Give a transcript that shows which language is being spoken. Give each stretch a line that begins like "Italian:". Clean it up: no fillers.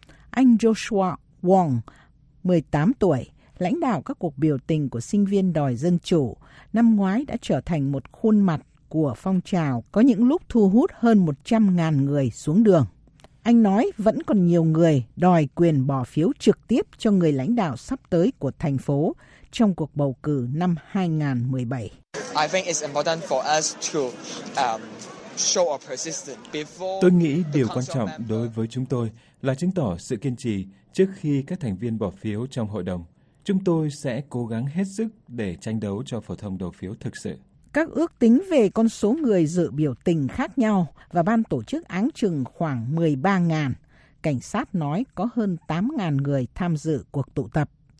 Vietnamese: Anh Joshua Wong, 18 tuổi, lãnh đạo các cuộc biểu tình của sinh viên đòi dân chủ, năm ngoái đã trở thành một khuôn mặt của phong trào có những lúc thu hút hơn 100.000 người xuống đường. Anh nói vẫn còn nhiều người đòi quyền bỏ phiếu trực tiếp cho người lãnh đạo sắp tới của thành phố trong cuộc bầu cử năm 2017.
English: I think it's important for us to show our persistence before.
Vietnamese: Tôi nghĩ điều quan trọng đối với chúng tôi là chứng tỏ sự kiên trì trước khi các thành viên bỏ phiếu trong hội đồng. Chúng tôi sẽ cố gắng hết sức để tranh đấu cho phổ thông đầu phiếu thực sự. Các ước tính về con số người dự biểu tình khác nhau và ban tổ chức áng chừng khoảng 13.000. Cảnh sát nói có hơn 8.000 người tham dự cuộc tụ tập.